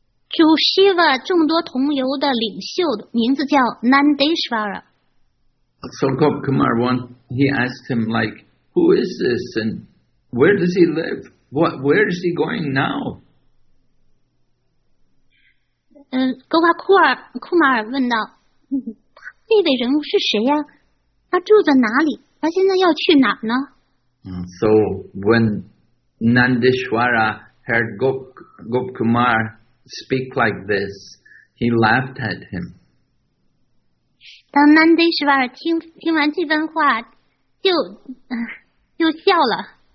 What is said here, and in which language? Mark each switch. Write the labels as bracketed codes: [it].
[zh] 主 Shiva 众多同游的领袖的名字叫 Nandishwara. [en] So Gop Kumar, he asked him, like, who is this and where does he live? Where is he going now? [zh] 格瓦库尔库马尔问道，那位人物是谁呀？他住在哪里？他现在要去哪呢？ [en] So when Nandishwara heard Gopkumar speak like this, he laughed at him. [zh] 当 Nandishwar 听完这番话，就笑了。